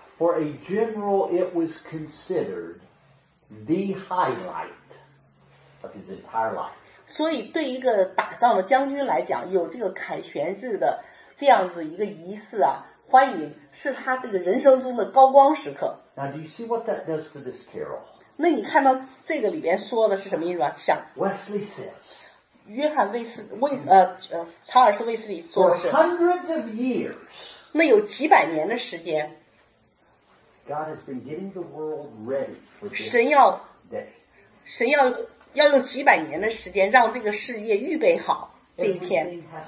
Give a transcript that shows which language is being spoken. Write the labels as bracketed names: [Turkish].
[English] For a general, it was considered the highlight. Of his entire life. [Chinese] 所以对一个打仗的将军来讲，有这个凯旋日的这样子一个仪式啊，欢迎是他这个人生中的高光时刻。 [English] Now do you see what that does for this carol? [Chinese] 那你看到这个里边说的是什么意思啊？像 [English] Wesley says, [Chinese] 约翰卫斯卫查尔斯卫斯理说的是 [English] For hundreds of years. [Chinese] 那有几百年的时间 [English] God has been getting the world ready for this [Chinese] 神要用几百年的时间让这个世界预备好这一天。